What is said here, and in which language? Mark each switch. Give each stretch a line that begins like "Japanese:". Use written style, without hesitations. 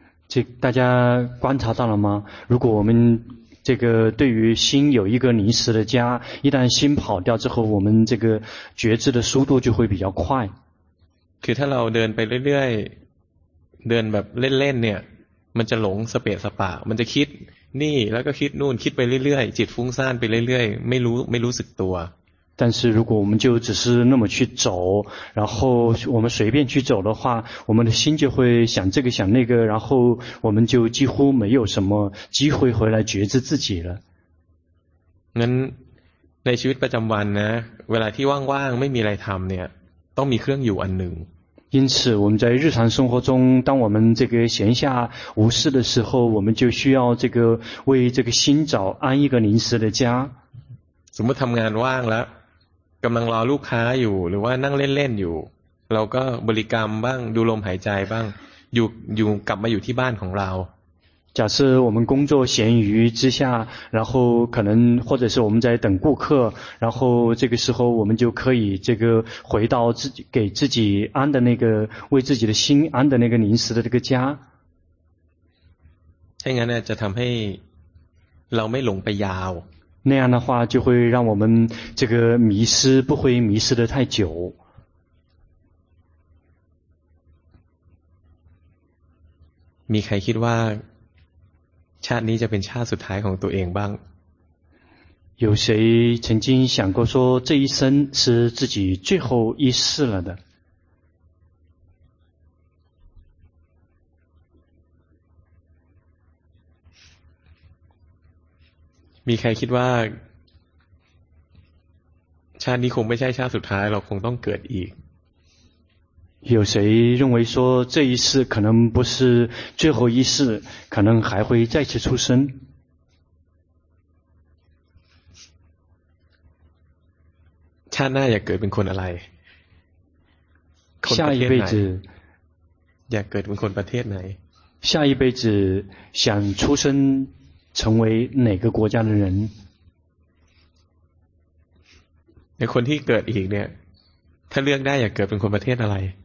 Chinese: 这大家观察到了吗如果我们这个对于心有一个临时的家一旦心跑掉之后我们这个觉知的速度就会比较快
Thai: คือถ้าเราเดินไปเรื่อยๆเดินแบบเล่นๆเนี่ยมันจะหลงสเปะสปะมันจะคิดนี่แล้วก็คิดนู่นคิดไปเรื่อยๆจิตฟุ้งซ่านไปเรื่อยๆไม่รู้สึกตัว
Chinese: 但是如果我们就只是那么去走然后我们随便去走的话我们的心就会想这个想那个然后我们就几乎没有什么机会回来觉知自己了
Thai: งั้นในชีวิตประจำวันนะเวลาที่ว่างๆไม่มีอะไรทำเนี่ยต้องมีเครื่องอยู่อันหนึ่ง
Chinese: 因此我们在日常生活中当我们这个闲暇无事的时候我们就需要这个为这个心找安一个临时的家
Thai: สมมติทำงานว่างแล้วกำลังรอลูกค้าอยู่หรือว่านั่งเล่นๆอยู่เราก็บริกรรมบ้างดูลมหายใจบ้างอยู่กลับมาอยู่ที่บ้านของเรา
Chinese: 假设我们工作闲余之下然后可能或者是我们在等顾客然后这个时候我们就可以这个回到自己给自己安的那个为自己的心安的那个临时的这个家那样呢就
Thai: ทำให้เราไม่หลงไปยาว
Chinese: 那样的话就会让我们这个迷失不会迷失的太久
Thai: มีใครคิดว่าชาตินี้จะเป็นชาติสุดท้ายของตัวเองบ้าง
Chinese: 有谁曾经想过说这一生是自己最后一世了的
Thai: มีใครคิดว่าชาตินี้คงไม่ใช่ชาติสุดท้ายเราคงต้องเกิดอีก
Chinese: 有谁认为说这一世可能不是最后一世，可能还会再次出生？
Thai: ชาติหน้าอยากเกิดเป็นคนอะไร
Chinese: 下一辈子
Thai: อยากเกิดเป็นคนประเทศไหน
Chinese: 下一辈子想出生成为哪个国家的人
Thai: ในคนที่เกิดอีกเนี่ยถ้าเลือกได้อยากเกิดเป็นคนประเทศอะไร